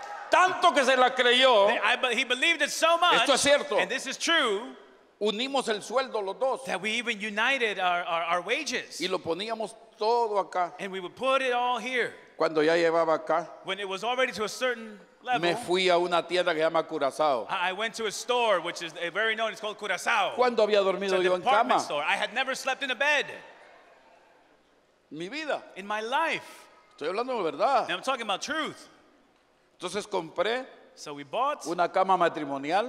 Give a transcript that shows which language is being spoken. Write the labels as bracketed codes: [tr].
[es] Tanto que se la creyó. [en] He believed it so much. [es] Esto es cierto. [en] And this is true. [es] Unimos el sueldo los dos. [en] That we even united our wages. [es] Y lo poníamos todo acá. [en] And we would put it all here. [es] Cuando ya llevaba acá, [en] when it was already to a certain level, [es] me fui a una tienda que se llama Curazao. [en] I went to a store which is very known, it's called Curazao. [es] ¿Cuándo había dormido yo en cama? [en] Store. I had never slept in a bed. [es] Mi vida. [en] In my life. [es] Estoy hablando de verdad. [en] And I'm talking about truth. [es] Entonces compré, [en] so we bought [es] una cama matrimonial,